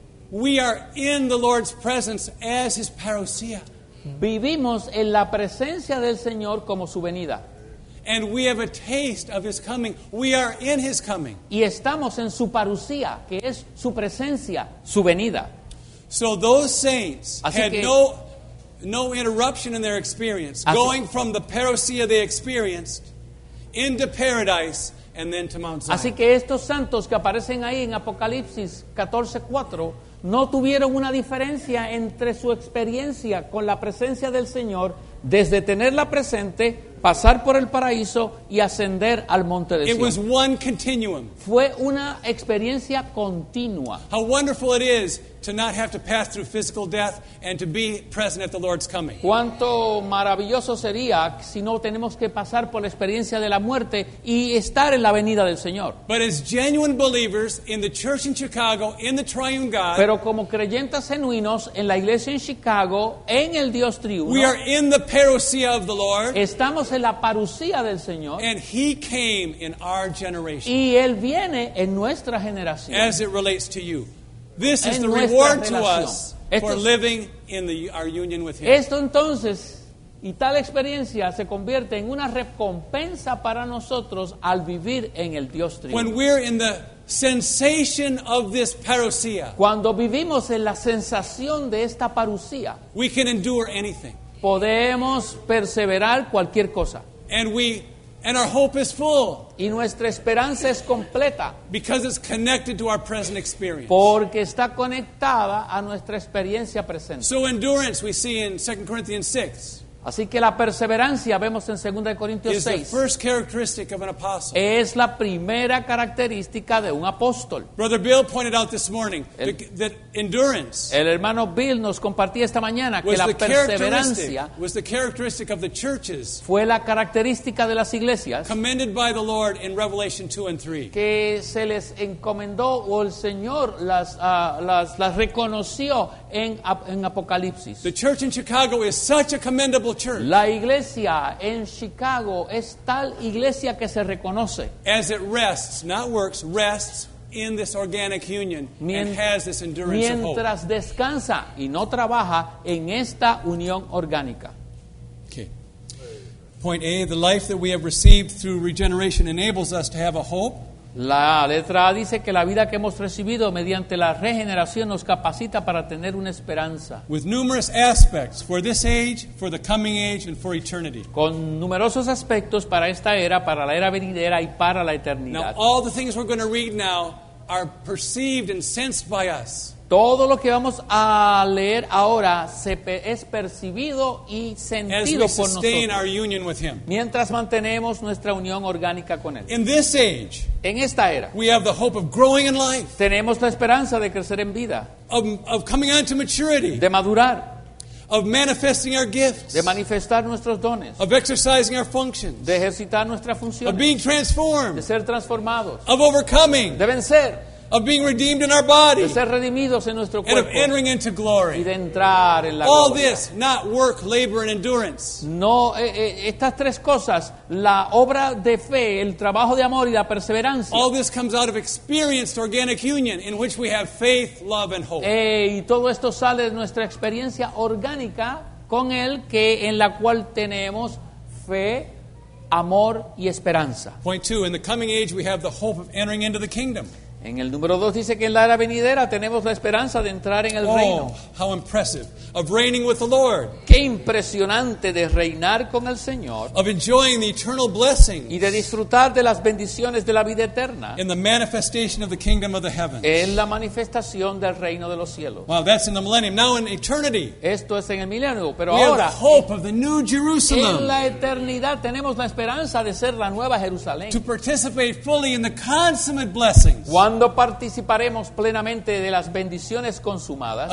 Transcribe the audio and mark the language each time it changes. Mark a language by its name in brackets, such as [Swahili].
[English] we are in the Lord's presence as his parousia. [Spanish] Vivimos en la presencia del Señor como su venida. [English] And we have a taste of his coming. We are in his coming. [Spanish] Y estamos en su parusía, que es su presencia, su venida. [English] So those saints had no interruption in their experience, going from the parousia they experienced into paradise and then to Mount Zion. [Spanish] Así que estos santos que aparecen ahí en Apocalipsis 14:4 no tuvieron una diferencia entre su experiencia con la presencia del Señor desde tenerla presente, pasar por el paraíso y ascender al monte de Sion. [English] It was one continuum. [Spanish] Fue una experiencia continua. [English] How wonderful it is to not have to pass through physical death and to be present at the Lord's coming. [Spanish] Cuánto maravilloso sería si no tenemos que pasar por la experiencia de la muerte y estar en la venida del Señor. [English] But as genuine believers in the church in Chicago, in the triune God, [Spanish] pero como creyentes genuinos en la iglesia en Chicago, en el Dios triuno, [English] we are in the parousia of the Lord. [Spanish] Estamos en la parusía del Señor. [English] And he came in our generation. [Spanish] Y él viene en nuestra generación. [English] As it relates to you. This is the reward to us for living in our union with him. [Spanish] Esto entonces y tal experiencia se convierte en una recompensa para nosotros al vivir en el Dios triuno. [English] When we're in the sensation of this parousia, [Spanish] cuando vivimos en la sensación de esta parousia, [English] we can endure anything. [Spanish] Podemos perseverar cualquier cosa. [English] And our hope is full. [Spanish] Y nuestra esperanza es completa. [English] Because it's connected to our present experience. [Spanish] Porque está conectada a nuestra experiencia presente. [English] So endurance we see in 2 Corinthians 6. [Spanish] Así que la perseverancia vemos en 2 Corintios 6. [English] Is the first characteristic of an apostle. [Spanish] Es la primera característica de un apóstol. [English] Brother Bill pointed out this morning that endurance. [Spanish] El hermano Bill nos compartía esta mañana que la perseverancia [English] was the characteristic of the churches. [Spanish] Fue la característica de las iglesias. [English] Commended by the Lord in Revelation 2 and 3. [Spanish] Que se les encomendó o el Señor las reconoció en Apocalipsis. [English] The church in Chicago is such a commendable. [Spanish] La iglesia en Chicago es tal iglesia que se reconoce. [English] As it rests, not works, rests in this organic union and has this endurance of hope. [Spanish] Mientras descansa y no trabaja en esta unión orgánica. [English] Okay. Point A, the life that we have received through regeneration enables us to have a hope. [Spanish] La letra A dice que la vida que hemos recibido mediante la regeneración nos capacita para tener una esperanza. [English] With numerous aspects for this age, for the coming age, and for eternity. [Spanish] Con numerosos aspectos para esta era, para la era venidera y para la eternidad. [English] Now, all the things we're going to read now are perceived and sensed by us. [Spanish] Todo lo que vamos a leer ahora es percibido y sentido por nosotros. [English] As we sustain our union with him. [Spanish] Mientras mantenemos nuestra unión orgánica con él. [English] In this age, [Spanish] en esta era, [English] we have the hope of growing in life. [Spanish] Tenemos la esperanza de crecer en vida. [English] Of coming on to maturity. [Spanish] De madurar. [English] Of manifesting our gifts. [Spanish] De manifestar nuestros dones. [English] Of exercising our functions. [Spanish] De ejercitar nuestras funciones. [English] Of being transformed. [Spanish] De ser transformados. [English] Of overcoming. [Spanish] De vencer. [English] Of being redeemed in our body. [Spanish] De ser redimidos en nuestro cuerpo. [English] And of entering into glory. [Spanish] Y de entrar en la gloria. [English] All this, not work, labor, and endurance. [Spanish] No, estas tres cosas, la obra de fe, el trabajo de amor y la perseverancia. [English] All this comes out of experienced organic union in which we have faith, love, and hope. [Spanish] Y todo esto sale de nuestra experiencia orgánica con él, que en la cual tenemos fe, amor y esperanza. [English] Point two, in the coming age we have the hope of entering into the kingdom. [Spanish] En el número 2 dice que en la era venidera tenemos la esperanza de entrar en el reino. [English] How impressive of reigning with the Lord. [Spanish] Qué impresionante de reinar con el Señor. [English] Of enjoying the eternal blessings. [Spanish] Y de disfrutar de las bendiciones de la vida eterna. [English] In the manifestation of the kingdom of the heavens. [Spanish] En la manifestación del reino de los cielos. [English] Well, that's in the millennium. Now in eternity. [Spanish] Esto es en el milenio, pero [English] we [Spanish] ahora [English] have hope of the new Jerusalem. [Spanish] En la eternidad tenemos la esperanza de ser la nueva Jerusalén. [English] To participate fully in the consummate blessings. [Spanish] Cuando participaremos plenamente de las bendiciones consumadas,